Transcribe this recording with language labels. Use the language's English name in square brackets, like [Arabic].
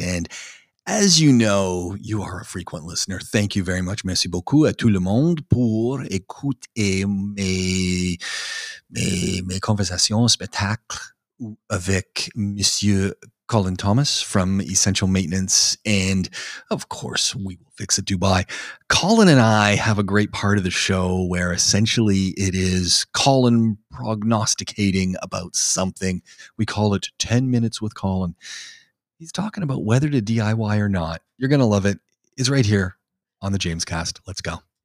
[English] And as you know, you are a frequent listener. Thank you very much. [French] Merci beaucoup à tout le monde pour écouter mes conversations, spectacles avec Monsieur Colin Thomas from Essential Maintenance. [English] And of course, We Will Fix It Dubai. Colin and I have a great part of the show where essentially it is Colin prognosticating about something. We call it 10 Minutes with Colin. He's talking about whether to DIY or not. You're going to love it. It's right here on the James Cast. Let's go.